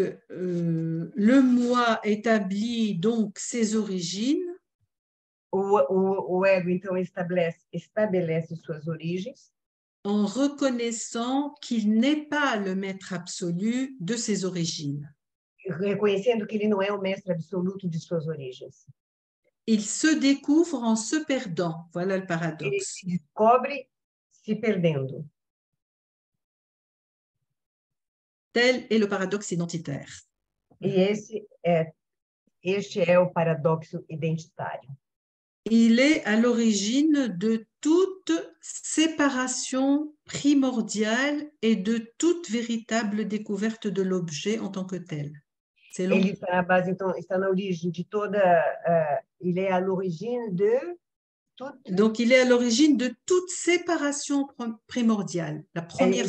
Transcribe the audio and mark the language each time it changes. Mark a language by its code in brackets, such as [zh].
[fr] Le moi établit donc ses origines. [pt] O ego, então, estabelece suas origens. [fr] En reconnaissant qu'il n'est pas le maître absolu de ses origines. [pt] Reconhecendo que ele não é o mestre absoluto de suas origens. [fr] Il se découvre en se perdant. Voilà le paradoxe. [pt] Ele se descobre se perdendo. [fr] Tel est le paradoxe identitaire. [pt] Et este é o paradoxo identitário. [fr] Il est à l'origine de toute séparation primordiale et de toute véritable découverte de l'objet en tant que tel. C'est long. [pt] Ele está na base, então, está na origem de toda. Ele é a origem de. [fr] Donc, il est à l'origine de toute séparation primordiale, la première